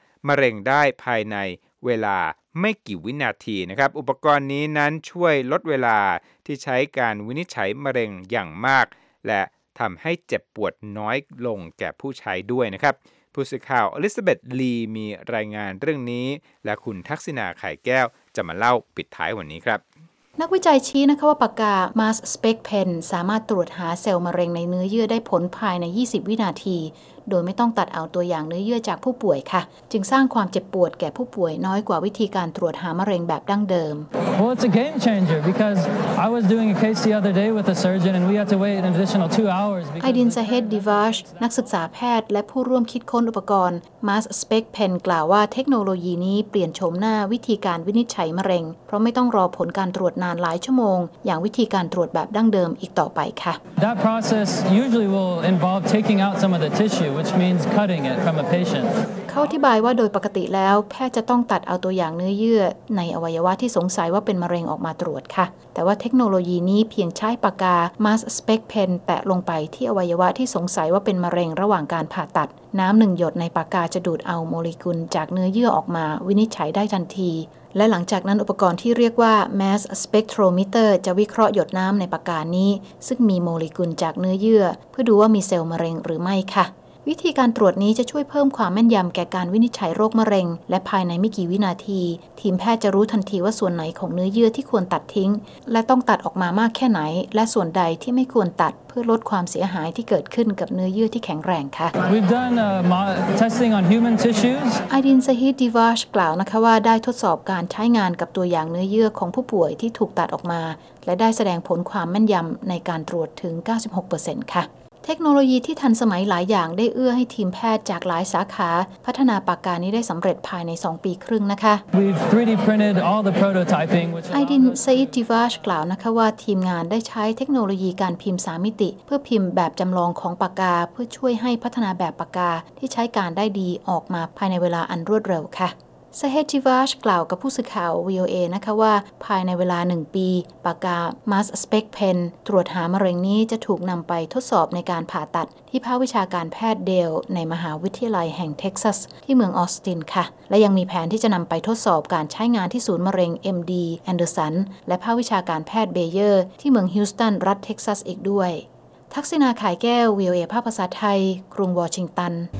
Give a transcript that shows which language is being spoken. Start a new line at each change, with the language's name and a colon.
Thai: มะเร็งได้ภายในเวลาไม่กี่วินาทีนะครับอุปกรณ์นี้นั้นช่วยลดเวลาที่ใช้การวินิจฉัยมะเร็งอย่างมากและทำให้เจ็บปวดน้อยลงแก่ผู้ใช้ด้วยนะครับผู้สื่อข่าวอลิซาเบธลีมีรายงานเรื่องนี้และคุณทักษิณาไข่แก้วจะมาเล่าปิดท้ายวันนี้ครับ นักวิจัยชี้นะคะว่าปากกา Mass Spec Pen สามารถตรวจหาเซลล์มะเร็งในเนื้อเยื่อได้ผลภายใน20วินาทีโดยไม่ต้องตัดเอาตัวอย่างเนื้อเยื่อจากผู้ป่วยค่ะจึงสร้างความเจ็บปวดแก่ผู้ป่วยน้อยกว่าวิธีการตรวจหามะเร็งแบบดั้งเดิม
English: Well, it's a game changer because I was doing a case the other day with a surgeon and we had to wait an additional 2 hours because
Thai: Aydin Zahed Divash นักศึกษาแพทย์และผู้ร่วมคิดค้นอุปกรณ์ Mass Spec Pen กล่าวว่าเทคโนโลยีนี้เปลี่ยนโฉมหน้าวิธีการวินิจฉัยมะเร็งเพราะไม่ต้องรอผลการตรวจนานหลายชั่วโมงอย่างวิธีการตรวจแบบดั้งเดิมอีกต่อไปค่ะ
English: That process usually will involve taking out some of the tissueWhich means cutting it from a patient.
Thai: เขาอธิบายว่าโดยปกติแล้วแพทย์จะต้องตัดเอาตัวอย่างเนื้อเยื่อในอวัยวะที่สงสัยว่าเป็นมะเร็งออกมาตรวจค่ะแต่ว่าเทคโนโลยีนี้เพียงใช้ปากกา Mass Spec Pen แตะลงไปที่อวัยวะที่สงสัยว่าเป็นมะเร็งระหว่างการผ่าตัดน้ำหนึ่งหยดในปากกาจะดูดเอาโมเลกุลจากเนื้อเยื่อออกมาวินิจฉัยได้ทันทีและหลังจากนั้นอุปกรณ์ที่เรียกว่า Mass Spectrometer จะวิเคราะห์หยดน้ำในปากกานี้ซึ่งมีโมเลกุลจากเนื้อเยื่อเพื่อดูว่ามีเซลล์มะเร็งหรือไม่ค่ะ วิธีการตรวจนี้จะช่วยเพิ่มความแม่นยำแก่การวินิจฉัยโรคมะเร็งและภายในไม่กี่วินาทีทีมแพทย์จะรู้ทันทีว่าส่วนไหนของเนื้อเยื่อที่ควรตัดทิ้งและต้องตัดออกมามากแค่ไหนและส่วนใดที่ไม่ควรตัดเพื่อลดความเสียหายที่เกิดขึ้นกับเนื้อเยื่อที่แข็งแรงค่ะ
English: We've done testing on human tissues.
Thai: Aydin Sahid Divash กล่าวนะคะว่าได้ทดสอบการใช้งานกับตัวอย่างเนื้อเยื่อของผู้ป่วยที่ถูกตัดออกมาและได้แสดงผลความแม่นยำในการตรวจถึง 96% ค่ะเทคโนโลยีที่ทันสมัยหลายอย่างได้เอื้อให้ทีมแพทย์จากหลายสาขาพัฒนาปากกานี้ได้สำเร็จภายใน2ปีครึ่งนะคะ
English: We've 3D printed all the prototyping
Thai: Aydin Sahid Divash กล่าวนะคะว่าทีมงานได้ใช้เทคโนโลยีการพิมพ์3มิติเพื่อพิมพ์แบบจำลองของปากกาเพื่อช่วยให้พัฒนาแบบปากกาที่ใช้การได้ดีออกมาภายในเวลาอันรวดเร็วค่ะ Sahid Divash กล่าวกับผู้สื่อข่าว VOA นะคะว่าภายในเวลา1ปีปากกา Mass Spec Pen ตรวจหามะเร็งนี้จะถูกนำไปทดสอบในการผ่าตัดที่ภาควิชาการแพทย์เดลในมหาวิทยาลัยแห่งเท็กซัสที่เมืองออสตินค่ะและยังมีแผนที่จะนำไปทดสอบการใช้งานที่ศูนย์มะเร็ง MD Anderson และภาควิชาการแพทย์เบเยอร์ที่เมืองฮิวสตันรัฐเท็กซัสอีกด้วยทักษิณาขายแก้ว VOA ภาคภาษาไทยกรุงวอชิงตัน